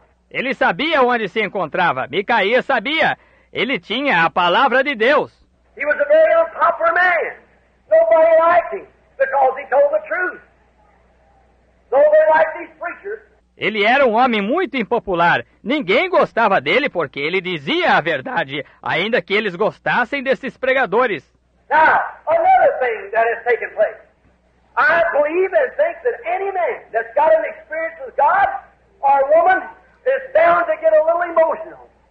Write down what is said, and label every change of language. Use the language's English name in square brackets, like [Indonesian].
[Portuguese] Ele sabia onde se encontrava. Micaías sabia. Ele tinha a palavra de Deus. [English] He was a very unpopular man. Nobody liked him because he told the truth. Nobody liked these preachers. [Portuguese] Ele era um homem muito impopular. Ninguém gostava dele porque ele dizia a verdade, ainda que eles gostassem desses pregadores. [English] Now, another thing that has taken place. I believe and think that any man that's got an experience with God or a woman is bound to get a little emotional.